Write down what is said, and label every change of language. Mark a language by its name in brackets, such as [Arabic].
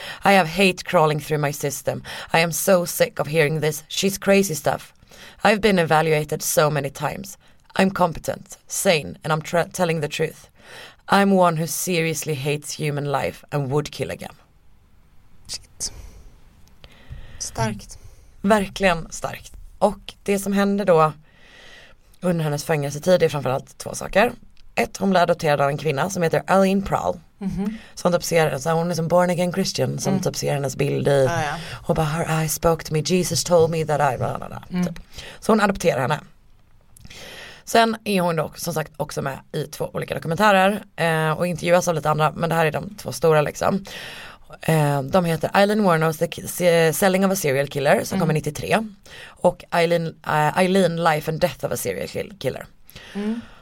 [English] I have hate crawling through my system. I am so sick of hearing this, she's crazy stuff. I've been evaluated so many times. I'm competent, sane, and I'm telling the truth. I'm one who seriously hates human life and would kill again. Shit. [Swedish] Starkt. Verkligen starkt. Och det som hände då under hennes fängelsetid är framförallt 2 saker. Ett, hon blev adopterad av en kvinna som heter Aline Prahl. Mm-hmm. Som typ ser, så hon är som [English] born again Christian [Swedish] som typ ser hennes bild i. Ah, ja. Och bara, [English] her eyes spoke to me, Jesus told me that I... [Swedish] Så hon adopterar henne. Sen är hon dock som sagt också med i 2 olika dokumentärer och intervjuas av lite andra, men det här är de 2 stora liksom. De heter Eileen Warnow's The Selling of a Serial Killer som kommer 93 och Eileen Life and Death of a Serial Killer. Mm.